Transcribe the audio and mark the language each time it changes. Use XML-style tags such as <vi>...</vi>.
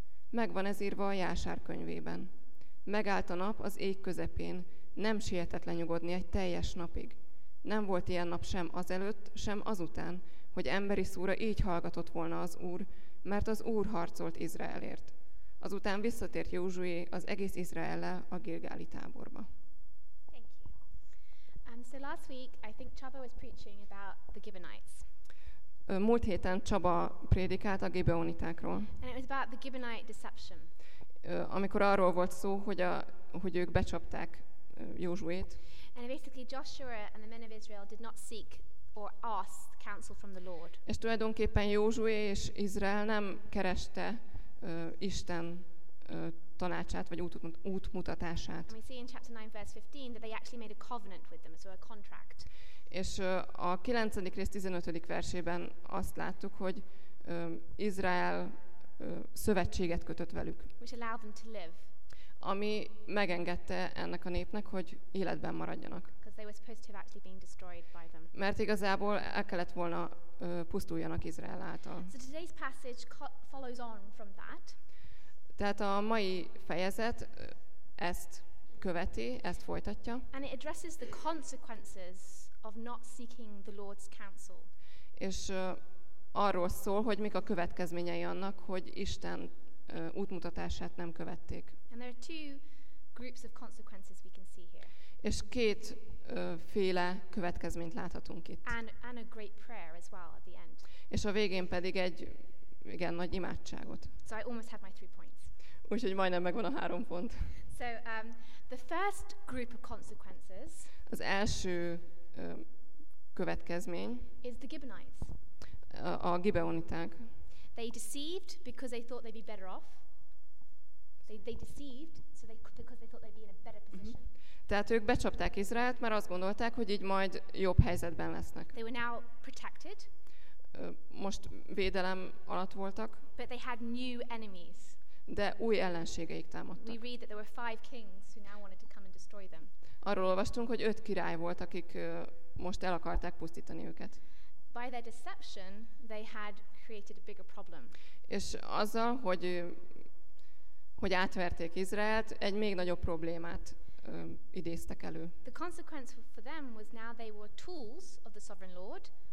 <hu>Megvan ez írva a Jásár könyvében. Megállt a nap az ég közepén, nem sietett lenyugodni egy teljes napig. Nem volt ilyen nap sem azelőtt, sem azután, hogy emberi szóra így hallgatott volna az Úr, mert az Úr harcolt Izraelért. Azután visszatért Józsué az egész Izraelle a Gilgáli táborba.</hu> <en>Thank you. So last week I think Chaba was preaching about the Gibeonites.</en> <hu>Múlt héten Csaba prédikált a Gibeonitákról.</hu> <en>And it was about the Gibeonite deception.</en> <hu>Amikor arról volt szó, hogy ők becsapták Józsuét.</hu> <en>And basically Joshua and the men of Israel did not seek or ask counsel from the Lord.</en> <hu>És tulajdonképpen Józsué és Izrael nem kereste Isten tanácsát vagy útmutatását.</hu> <en>And we see in chapter 9 verse 15 that they actually made a covenant with them, so a contract.</en> <hu>És a 9. rész 15. versében azt láttuk, hogy Izrael szövetséget kötött velük.</hu> <en>Which allowed them to live.</en> <hu>Ami megengedte ennek a népnek, hogy életben maradjanak.</hu> <en>Because they were supposed to have actually been destroyed by them.</en> <hu>Mert igazából el kellett volna pusztuljanak Izrael által.</hu> <en>So today's passage follows on from that.</en> <hu>Tehát a mai fejezet ezt követi, ezt folytatja.</hu> <en>And it addresses the consequences of not seeking the Lord's counsel.</en> <hu>És arról szól, hogy mik a következményei annak, hogy Isten útmutatását nem követték.</hu> <en>And there are two groups of consequences we can see here.</en> <hu>És két féle következményt láthatunk itt.</hu> <en>And a great prayer as well at the end.</en> <hu>És a végén pedig egy igen nagy imádságot.</hu> <en>So I almost have my three points.</en> <hu>Úgyhogy majdnem megvan a három pont.</hu> <en>So the first group of consequences.</en> <hu>Az első következmény.</hu> <en>Is the Gibeonites.</en> <hu>A Gibeoniták.</hu> <en>They deceived because they thought they'd be better off. They deceived so they because they thought they'd be in a better position. Mm-hmm.</en> <hu>Tehát ők becsapták Izraelt, mert azt gondolták, hogy így majd jobb helyzetben lesznek.</hu> <en>They were now protected.</en> <hu>Most védelem alatt voltak.</hu> <en>But they had new enemies.</en> <hu>De új ellenségeik támadtak.</hu> <en>We read that there were five kings who now wanted to come and destroy them.</en> <hu>Arról olvastunk, hogy öt király volt, akik most el akarták pusztítani őket.</hu> <en>By their deception, they had created a bigger problem.</en> <hu>És azzal, hogy átverték Izraelt, egy még nagyobb problémát idéztek elő.</hu> <en>The consequence for them was now they were tools of the sovereign Lord.</en>